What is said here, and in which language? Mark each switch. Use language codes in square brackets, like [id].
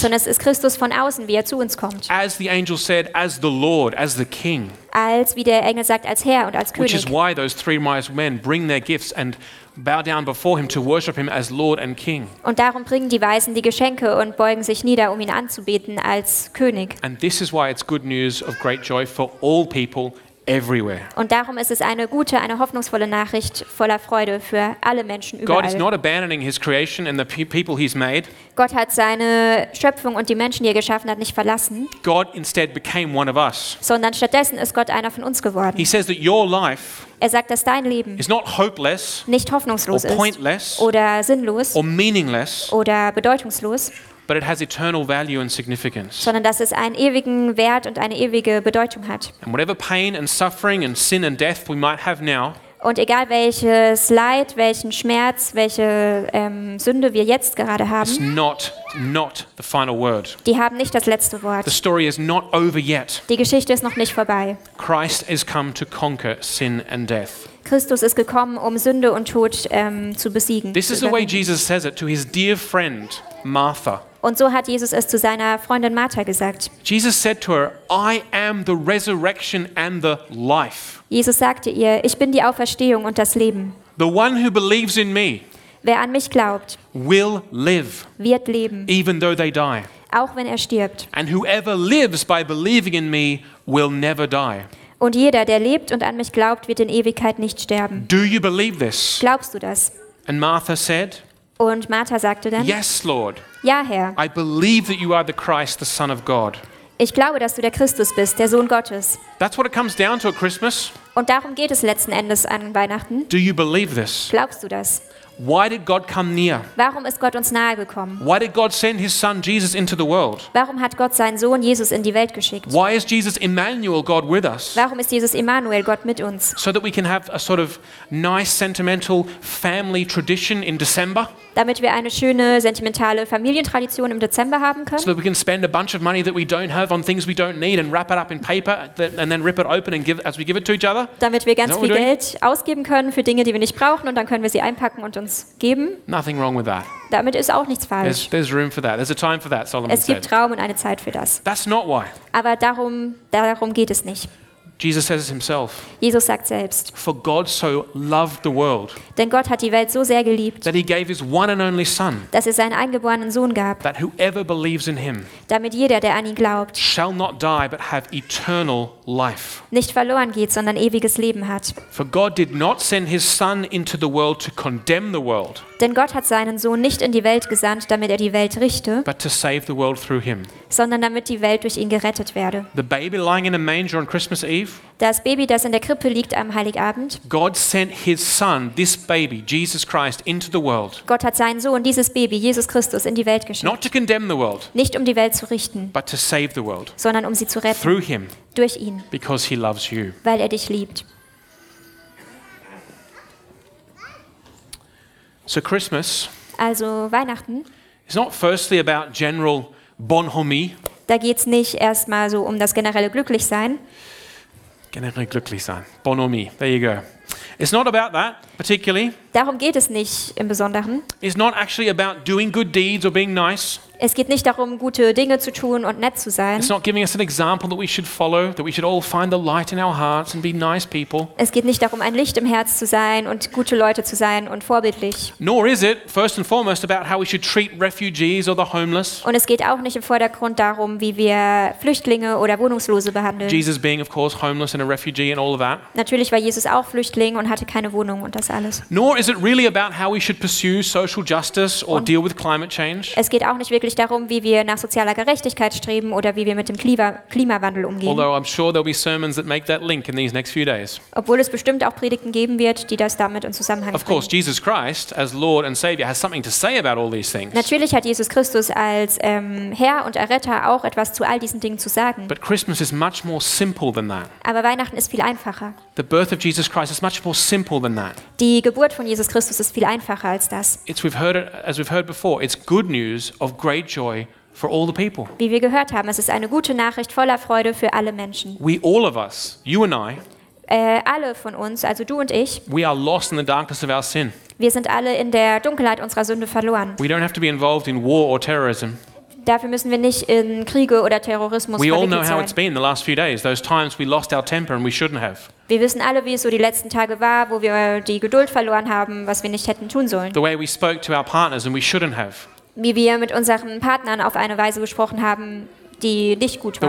[de] Sondern es ist Christus von außen, wie er zu uns kommt. [en] As the angel said, as the Lord, as the King. [de] Als wie der Engel sagt, als Herr und als König. [en] Which is why those three wise men bring their gifts and bow down before him to worship him as Lord and King. [de] Und darum bringen die Weisen die Geschenke und beugen sich nieder, um ihn anzubeten als König. [en] And this is why it's good news of great joy for all people. Everywhere. [de] Und darum ist es eine gute, eine hoffnungsvolle Nachricht voller Freude für alle Menschen überall. [en] God is not abandoning his creation and the people he's made. [de] Gott hat seine Schöpfung und die Menschen, die er geschaffen hat, nicht verlassen. [en] God instead became one of us. [de] Sondern stattdessen ist Gott einer von uns geworden. [en] He says that your life. [de] Er sagt, dass dein Leben [en] is not hopeless, [de] nicht hoffnungslos [en] or pointless, [de] ist oder sinnlos [en] or meaningless, [de] oder bedeutungslos. [en] But it has eternal value and significance. [de] Sondern dass es einen ewigen Wert und eine ewige Bedeutung hat. [en] And whatever pain and suffering and sin and death we might have now. [de] Und egal welches Leid, welchen Schmerz, welche Sünde wir jetzt gerade haben, [en] it's not the final word. [de] Die haben nicht das letzte Wort. [en] The story is not over yet. [de] Die Geschichte ist noch nicht vorbei. [en] Christ is come to conquer sin and death. [de] Christus ist gekommen, um Sünde und Tod zu besiegen. [en] This is the way Jesus says it to his dear friend Martha. [de] Und so hat Jesus es zu seiner Freundin Martha gesagt. [en] Jesus said to her, I am the resurrection and the life. [de] Jesus sagte ihr, ich bin die Auferstehung und das Leben. [en] The one who believes in me, [de] wer an mich glaubt, [en] will live, [de] wird leben, [en] even though they die. [de] Auch wenn er stirbt. [en] And whoever lives by believing in me will never die. [de] Und jeder, der lebt und an mich glaubt, wird in Ewigkeit nicht sterben. [en] Do you believe this? [de] Glaubst du das? [en] And Martha said, [de] und Martha sagte dann, [en] yes, Lord. [de] Ja, Herr. [en] I believe that you are the Christ, the Son of God. [de] Ich glaube, dass du der Christus bist, der Sohn Gottes. [en] That's what it comes down to at Christmas. [de] Und darum geht es letzten Endes an Weihnachten. [en] Do you believe this? [de] Glaubst du das? [en] Why did God come near? [de] Warum ist Gott uns nahe gekommen? [en] Why did God send his son Jesus into the world? [de] Warum hat Gott seinen Sohn Jesus in die Welt geschickt? [en] Why is Jesus Emmanuel, God with us? [de] Warum ist Jesus Emmanuel, Gott mit uns? [en] So that we can have a sort of nice sentimental family tradition in December. [de] Damit wir eine schöne sentimentale Familientradition im Dezember haben können. [en] So that we can spend a bunch of money that we don't have on things we don't need and wrap it up in paper and then rip it open and give as we give it to each other. [de] Damit wir ganz viel Geld ausgeben können für Dinge, die wir nicht brauchen und dann können wir sie einpacken und uns geben. [en] Nothing wrong with that. [de] Damit ist auch nichts falsch. [en] There's room for that. There's a time for that, Solomon said. [de] Es gibt Raum und eine Zeit für das. [en] That's not why. [de] Aber darum geht es nicht. [en] Jesus says it himself. [de] Jesus sagt selbst. [en] For God so loved the world. [de] Denn Gott hat die Welt so sehr geliebt. [en] That he gave his one and only son. [de] Dass er seinen eingeborenen Sohn gab. [en] That whoever believes in him. [de] Damit jeder, der an ihn glaubt. [en] Shall not die but have eternal life. [de] Nicht verloren geht, sondern ewiges Leben hat. [en] For God did not send his son into the world to condemn the world. [de] Denn Gott hat seinen Sohn nicht in die Welt gesandt, damit er die Welt richte. [en] But to save the world through him. [de] Sondern damit die Welt durch ihn gerettet werde. [en] The baby lying in a manger on Christmas Eve. [de] Das Baby, das in der Krippe liegt am Heiligabend. [en] God sent his son, this baby, Jesus Christ, into the world. [de] Gott hat seinen Sohn, dieses Baby, Jesus Christus, in die Welt geschickt. [en] Not to condemn the world. [de] Nicht um die Welt zu richten. [en] But to save the world. [de] Sondern um sie zu retten. [en] Through him. [de] Durch ihn. [en] Because he loves you. [de] Weil er dich liebt. [en] So Christmas. [de] Also Weihnachten. [en] It's not firstly about general bonhomie. [de] Da geht's nicht erstmal so um das generelle Glücklichsein. Generell glücklich sein. [en] Bonhomie. There you go. It's not about that particularly. [de] Darum geht es nicht im Besonderen. [en] It's not actually about doing good deeds or being nice. [de] Es geht nicht darum, gute Dinge zu tun und nett zu sein. [en] It's not giving us an example that we should follow, that we should all find the light in our hearts and be nice people. [de] Es geht nicht darum, ein Licht im Herz zu sein und gute Leute zu sein und vorbildlich. [en] Nor is it first and foremost about how we should treat refugees or the homeless. [de] Und es geht auch nicht im Vordergrund darum, wie wir Flüchtlinge oder Wohnungslose behandeln. [en] Jesus being of course homeless and a refugee and all of that. [de] Natürlich war Jesus auch Flüchtling und hatte keine Wohnung und das alles. [en] Nor is it really about how we should pursue social justice or deal with climate change. [de] Es geht auch nicht wirklich darum, wie wir nach sozialer Gerechtigkeit streben oder wie wir mit dem Klimawandel umgehen. Obwohl es bestimmt auch Predigten geben wird, die das damit in Zusammenhang bringen. [en] Of course, Jesus Christ as Lord and Savior has something to say about all these things. [de] Natürlich hat Jesus Christus als Herr und Erretter auch etwas zu all diesen Dingen zu sagen. [en] But Christmas is much more simple than that. [de] Aber Weihnachten ist viel einfacher. [en] The birth of Jesus Christ is much more simple than that. [de] Die Geburt von Jesus Christus ist viel einfacher als das. [en] It's we've heard it, as we've heard before, it's good news of great joy for all the people. [de] Wie wir gehört haben, es ist eine gute Nachricht voller Freude für alle Menschen. [en] We all of us, you and I, [de] alle von uns, also du und ich, [en] we are lost in the darkness of our sin. [de] Wir sind alle in der Dunkelheit unserer Sünde verloren. [en] We don't have to be involved in war or terrorism. [de] Dafür müssen wir nicht in Kriege oder Terrorismus verwickelt sein. [en] We all know how it's been the last few days, those times we lost our temper and we shouldn't have. [de] Wir wissen alle, wie es so die letzten Tage war, wo wir die Geduld verloren haben, was wir nicht hätten tun sollen. [en] The way we spoke to our partners and we shouldn't have. [de] Wie wir mit unseren Partnern auf eine Weise gesprochen haben, die nicht gut war.